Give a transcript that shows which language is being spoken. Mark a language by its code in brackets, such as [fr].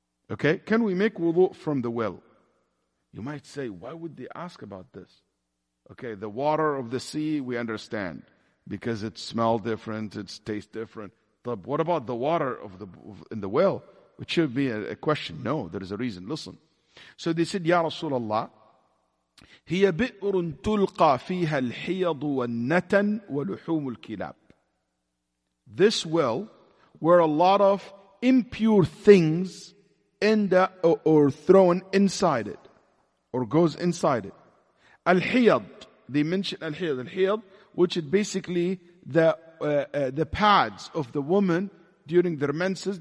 [en] Okay, can we make wudu from the well? You might say, why would they ask about this? Okay, the water of the sea, we understand, because it smells different, it tastes different. But what about the water of the in the well? Which should be a question. No, there is a reason. Listen. So they said, [ar] Ya Rasulallah, هي بئر تلقى فيها الحيض والنتن ولحوم الكلاب. [en] This well, where a lot of impure things end up or thrown inside it, or goes inside it. Al-hiyad, they mention al-hiyad, which is basically the pads of the woman during their menses.